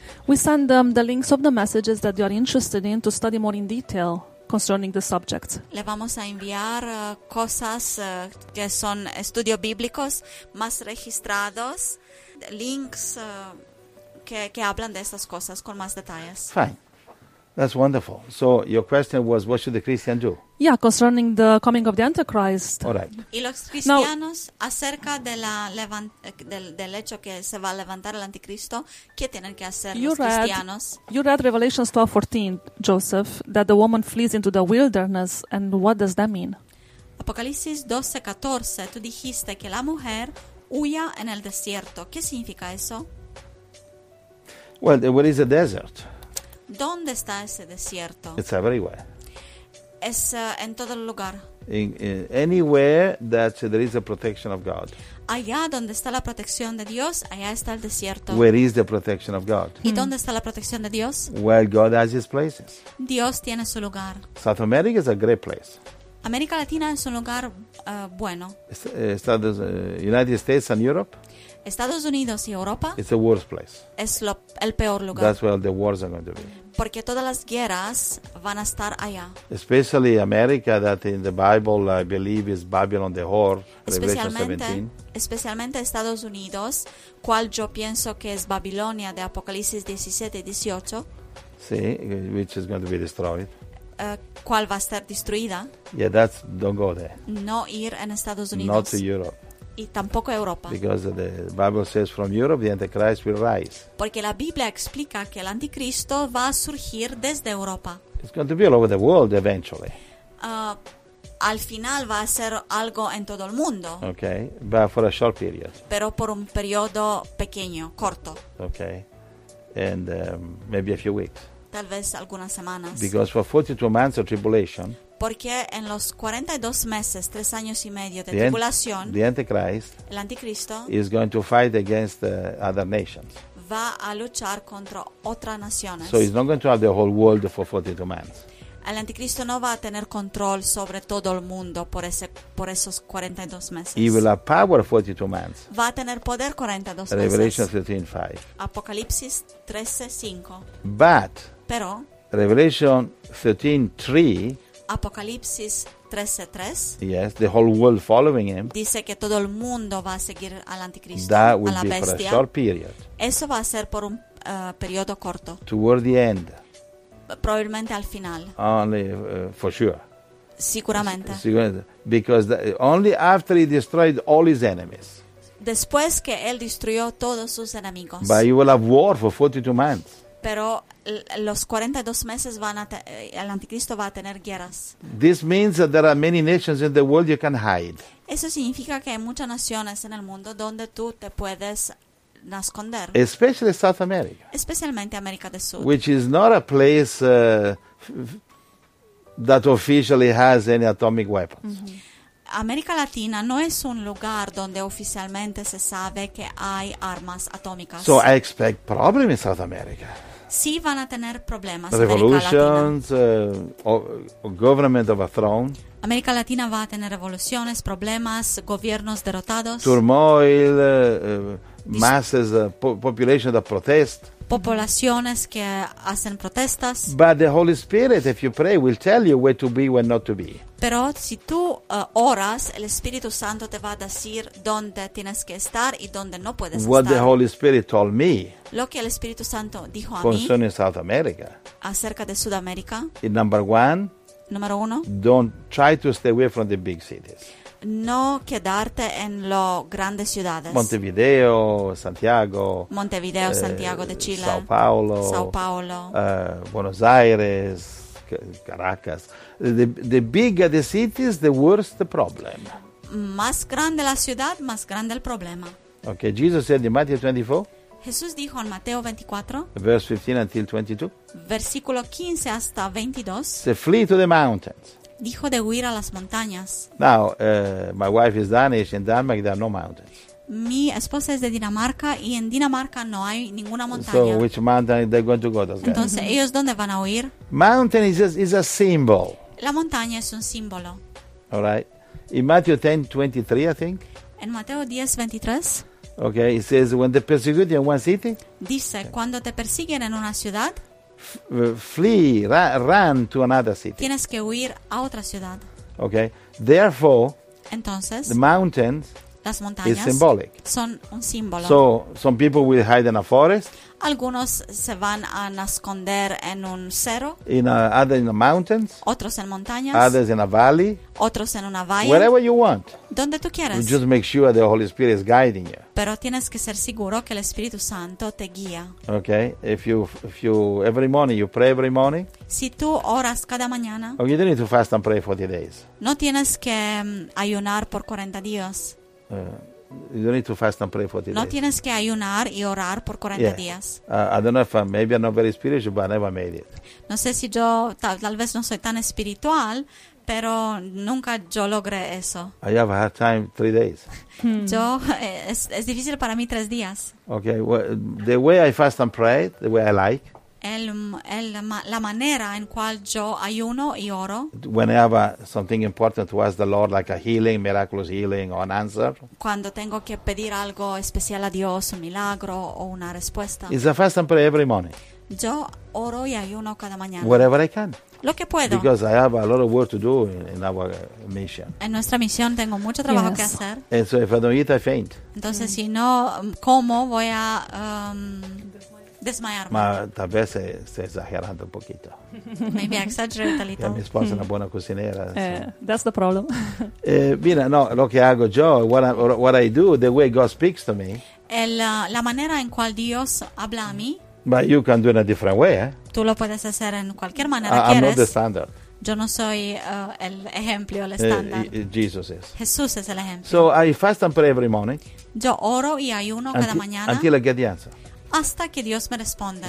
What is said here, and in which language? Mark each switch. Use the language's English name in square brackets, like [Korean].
[English] We send them the links of the messages that you are interested in to study more in detail concerning the subject. [Spanish] Le vamos a enviar cosas que son estudios bíblicos más registrados, links que hablan de estas cosas con más detalles. [English] Fine. That's wonderful. So your question was, what should the Christian do? Yeah, concerning the coming of the Antichrist. All right. [Spanish] Y los cristianos, acerca de la del hecho que se va a levantar el anticristo, ¿qué tienen que hacer los cristianos? [English] You read Revelation 12:14, Joseph, that the woman flees into the wilderness, and what does that mean? [Spanish] Apocalipsis 12:14, tú dijiste que la mujer huya en el desierto. ¿Qué significa eso? [English] Well, what is a desert? [Spanish] ¿Dónde está ese desierto? [English] It's everywhere. [Spanish] Es en todo lugar. [English] In anywhere that there is a protection of God. [Spanish] Allá donde está la protección de Dios, allá está el desierto. [English] Where is the protection of God? [Spanish] ¿Y dónde está la protección de Dios? [English] Well, God has his places. [Spanish] Dios tiene su lugar. [English] South America is a great place. [Spanish] América Latina es un lugar bueno. [English] United States and Europe? [Spanish] Estados Unidos y Europa. [English] It's the worst place. [Spanish] Es el peor lugar. [English] That's where the wars are going to be. [Spanish] Porque todas las guerras van a estar allá. [English] Especially America, that in the Bible I believe is Babylon the Whore. Revelation 17. [Spanish] Especialmente Estados Unidos, cual yo pienso que es Babilonia de Apocalipsis 17 y 18. [English] Sí, which is going to be destroyed. [Spanish] cuál va a estar destruida. [English] Yeah, that's don't go there. [Spanish] No ir en Estados Unidos. [English] Not to Europe. [Spanish] Y tampoco Europa. [English] Because the Bible says from Europe the Antichrist will rise. [Spanish] Porque la Biblia explica que el anticristo va a surgir desde Europa. [English] It's going to be all over the world eventually. [Spanish] Al final va a ser algo en todo el mundo. [English] Okay, but for a short period. [Spanish] Pero por un periodo pequeño, corto. [English] Okay, and maybe a few weeks. [Spanish] Tal vez algunas semanas. [English] Because for 42 months of tribulation. [Spanish] Porque en los 42 meses, 3 años y medio de tribulación. [English] The Antichrist. [Spanish] El anticristo. [English] Is going to fight against other nations. [Spanish] Va a luchar contra otras naciones. [English] So he's not going to have the whole world for 42 months. [Spanish] El anticristo no va a tener control sobre todo el mundo por esos 42 meses. [English] He will have power 42 months. [Spanish] Va a tener poder 42 meses. [English] Revelation 13:5. [Spanish] Apocalipsis 13:5. [English] But. [Spanish] Pero. [English] Revelation 13:3. [Spanish] Apocalipsis 13:3. [English] Yes, the whole world following him. [Spanish] Dice que todo el mundo va a seguir al anticristo. [English] That will [Spanish] a la [English] be [Spanish] bestia. [English] For a short period. [Spanish] Eso va a ser por un periodo corto. [English] Toward the end. [Spanish] Probablemente al final. [English] Only for sure. [Italian] Sicuramente. [English] Because only after he destroyed all his enemies. [Spanish] Después que él destruyó todos sus enemigos. [English] But he will have war for 42 months. [Spanish] Pero los 42 meses el anticristo va a tener guerras. [English] This means that there are many nations in the world you can hide. [Spanish] Eso significa que hay muchas naciones en el mundo donde tú te puedes nasconder. [English] Especially South America. [Spanish] Especialmente América del Sur. [English] Which is not a place that officially has any atomic weapons. Mm-hmm. [Spanish] América Latina no es un lugar donde oficialmente se sabe que hay armas atómicas. [English] So I expect problems in South America. [Spanish] Sí, van a tener problemas. [English] Revolutions, government overthrown. [Spanish] América Latina va a tener revoluciones, problemas, gobiernos derrotados. [English] Turmoil, masses, population that protest. [Spanish] Poblaciones que hacen protestas. [English] But the Holy Spirit, if you pray, will tell you where to be, where not to be. [Spanish] Pero si tú oras, el Espíritu Santo te va a decir dónde tienes que estar y dónde no puedes [English] what [Spanish] estar. [English] What the Holy Spirit told me. [Spanish] Lo que el Espíritu Santo dijo a mí. [English] Concerning South America. [Spanish] Acerca de Sudamérica. [English] Number one. [Spanish] Número uno. [English] Don't try to stay away from the big cities. [Spanish] No quedarte en lo grandes ciudades. [English] Montevideo, Santiago. [Spanish] Montevideo, Santiago de Chile. [English] São Paulo. [Spanish] São Paulo. [English] Buenos Aires, Caracas. The bigger the cities, the worse the problem. [Spanish] Más grande la ciudad, más grande el problema. [English] Okay, Jesus said in Matthew 24. [Spanish] Jesús dijo en Mateo 24. [English] Verse 15 until 22. [Spanish] Versículo 15 hasta 22. [English] So flee to the mountains. [Spanish] Dijo de huir a las montañas. [English] Now, my wife is Danish. In Denmark, there are no mountains. [Spanish] Mi esposa es de Dinamarca y en Dinamarca no hay ninguna montaña. [English] So, which mountain are they going to go to? [Spanish] Entonces, [English] guys? [Spanish] ¿Ellos dónde van a huir? [English] Mountain is a symbol. [Spanish] La montaña es un símbolo. [English] All right. In Matthew 10:23, I think. [Spanish] En Mateo 10:23. [English] Okay, it says when they persecute you in one city. [Spanish] Dice cuando te persiguen en una ciudad. [English] Flee, run to another city. [Spanish] Tienes que huir a otra ciudad. [English] Okay, therefore. [Spanish] Entonces. [English] The mountains. [Spanish] Las montañas. [English] Is symbolic. [Spanish] Son un símbolo. [English] So some people will hide in a forest. [Spanish] Algunos se van a esconder en un cerro. [English] Others in the mountains. [Spanish] Otros en montañas. [English] Others in a valley. [Spanish] Otros en una valle. [English] Wherever you want. [Spanish] Donde tú quieras. [English] You just make sure the Holy Spirit is guiding you. [Spanish] Pero tienes que ser seguro que el Espíritu Santo te guía. [English] Okay. If you every morning you pray every morning. [Spanish] Si tú oras cada mañana. [English] Oh, you don't need to fast and pray 40 days. [Spanish] No tienes que ayunar por 40 días. [English] You don't need to fast and pray 40 days. [Spanish] No tienes que ayunar y orar por 40 días. [English] I don't know if maybe I'm not very spiritual, but I never made it. [Spanish] No sé si yo tal vez no soy tan espiritual, pero nunca yo logré eso. [English] I have a hard time 3 days. [Spanish] Yo es difícil para mí 3 días. [English] Okay, well, the way I fast and pray, the way I like. [Spanish] La manera en cual yo ayuno y oro. [English] Whenever something important to ask the Lord, like a healing, miraculous healing, or an answer. [Spanish] Cuando tengo que pedir algo especial a Dios, un milagro o una respuesta. [English] It's a fast and pray every morning. [Spanish] Yo oro y ayuno cada mañana. [English] Whatever I can. [Spanish] Lo que puedo. [English] Because I have a lot of work to do in our mission. [Spanish] En nuestra misión tengo mucho trabajo que hacer. [English] And so if I don't eat, I faint. [Spanish] Entonces, si no como, voy a desmayarme. Ma tal vez estoy exagerando un poquito. [English] Maybe I exaggerate a little. [Spanish] Mi esposa es una buena cocinera. [English] That's the problem. [Spanish] Mira, no, lo que hago yo, [English] what I do, the way God speaks to me. [Spanish] La manera en cual Dios habla a mí. [English] But you can do it in a different way. [Spanish] Tú lo puedes hacer en cualquier manera que quieras. [English] I'm not the standard. [Spanish] Yo no soy el ejemplo, el estándar. [English] Jesus is. [Spanish] Jesús es el ejemplo. [English] So I fast and pray every morning. [Spanish] Yo oro y ayuno cada mañana. [English] Until I get the answer. [Spanish] Hasta que Dios me responda.